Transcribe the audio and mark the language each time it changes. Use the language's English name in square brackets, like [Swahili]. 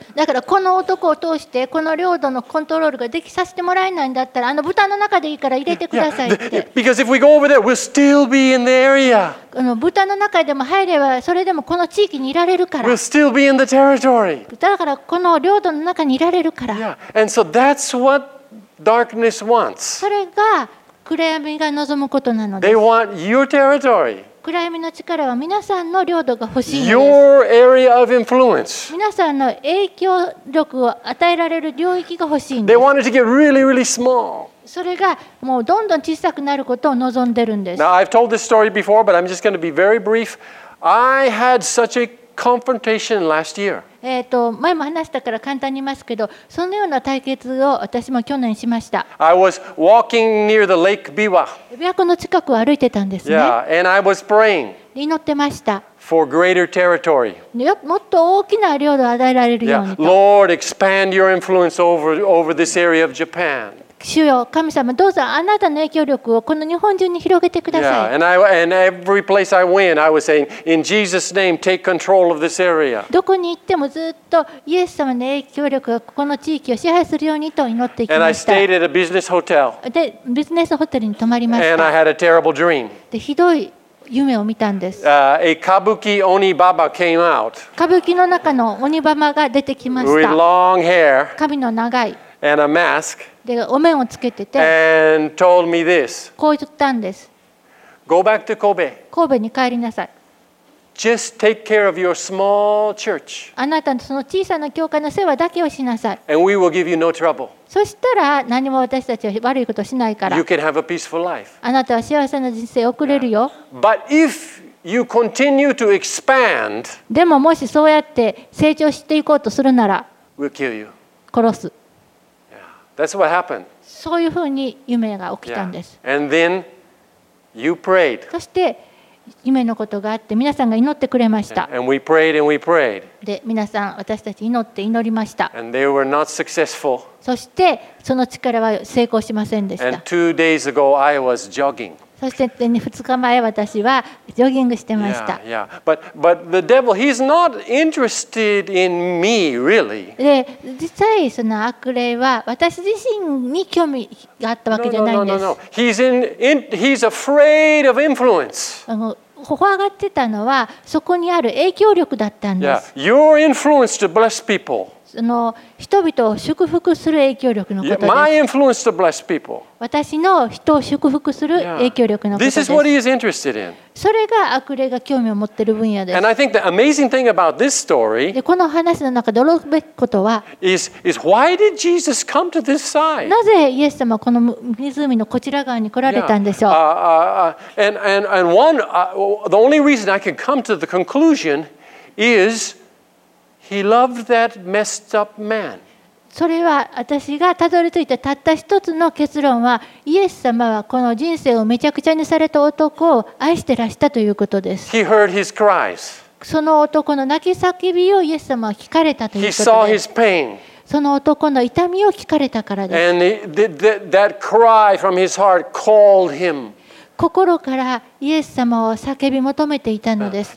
[Japanese] だからこの男を通してこの領土のコントロールができさせてもらえないんだったらあの豚の中でいいから入れてくださいって。豚の中でも入ればそれでもこの地域にいられるから。 [English] We'll still be in the territory. [Japanese] だからこの領土の中にいられるから。 [English] Yeah. And so that's what darkness wants. [Japanese] それが暗闇が望むことなのです。 [English] They want your territory. [Japanese] 暗闇の力は皆さんの領土が欲しいんです。 [English] Your area of influence. [Japanese] 皆さんの影響力を与えられる領域が欲しいんです。 [English] They wanted to get really, really small. [Japanese] それがもうどんどん小さくなることを望んでるんです。 [English] Now, I've told this story before, but I'm just going to be very brief. I had such a confrontation last year. [Japanese] 前も話したから簡単に言いますけど、そのような対決を私も去年しました。 [English] I was walking near the lake Biwa. [Japanese] 琵琶湖の近くを歩いてたんですね。 [English] Yeah, and I was praying. [Japanese] 祈ってました。 [English] For greater territory. [Japanese] もっと大きな領土を与えられるようにと。 [English] Yeah, Lord, expand your influence over this area of Japan. [Japanese] 主よ、神様、どうぞあなたの影響力をこの日本中に広げてください。 [English] Yeah, and I, and every place I went, I was saying, in Jesus' name, take control of this area. [Japanese] どこに行ってもずっとイエス様の影響力がここの地域を支配するようにと祈っていきました。 [English] And I stayed at a business hotel. [Japanese] で、ビジネスホテルに泊まりました。 [English] And I had a terrible dream. [Japanese] で、ひどい夢を見たんです。 [English] A Kabuki Onibaba came out. [Japanese] 歌舞伎の中の鬼ババが出てきました。 [English] With long hair. [Japanese] 髪の長い。 [English] And a mask. [Japanese] でお面をつけてて、 [English] and told me this. [Japanese] こう言ったんです。 [English] Go back to Kobe. [Japanese] 神戸に帰りなさい。 [English] Just take care of your small church. [Japanese] あなたのその小さな教会の世話だけをしなさい。 [English] And we will give you no trouble. [Japanese] そしたら何も私たちは悪いことしないから。 [English] You can have a peaceful life. [Japanese] あなたは幸せな人生を送れるよ。 [English] But if you continue to expand, [Japanese] でももしそうやって成長していこうとするなら、 [English] we'll kill you. [Japanese] 殺す。 [English] That's what happened. [Japanese] そういうふうに夢が起きたんです。 [English] Yeah. And then you prayed. [Japanese] そして夢のことがあって皆さんが祈ってくれました。 [English] And we prayed and we prayed. [Japanese] で皆さん私たち祈って祈りました。 [English] And they were not successful. [Japanese] そしてその力は成功しませんでした。 [English] And 2 days ago I was jogging. [Japanese] そして2日前私はジョギングしてました。 [English] Yeah, yeah. But the devil, he's not interested in me, really. [Japanese] で、実際その悪霊は私自身に興味があったわけじゃないんです。 [English] No. He's afraid of influence. [Japanese] 怖がってたのはそこにある影響力だったんです。 [English] Yeah, your influence to bless people. [Japanese] 人々を祝福する影響力のことです。 [English] My influence to bless people. [Japanese] 私の人を祝福する影響力のことです。 [English] This is what he is interested in. [Japanese] それが悪霊が興味を持っている分野です。 [English] And I think the amazing thing about this story. [Japanese] でこの話の中で驚くべきことは、 [English] is why did Jesus come to this side? [Japanese] なぜイエス様はこの湖のこちら側に来られたんでしょう。 [English] And one the only reason I can come to the conclusion is. He loved that messed up man. [Japanese] それは私がたどり着いたたった一つの結論は、イエス様はこの人生をめちゃくちゃにされた男を愛してらしたということです。 [English] He heard his cries. [Japanese] その男の泣き叫びをイエス様は聞かれたということです。 [English] He saw his pain. [Japanese] その男の痛みを聞かれたからです。 [English] And that cry from his heart called him. [Japanese] 心からイエス様を叫び求めていたのです。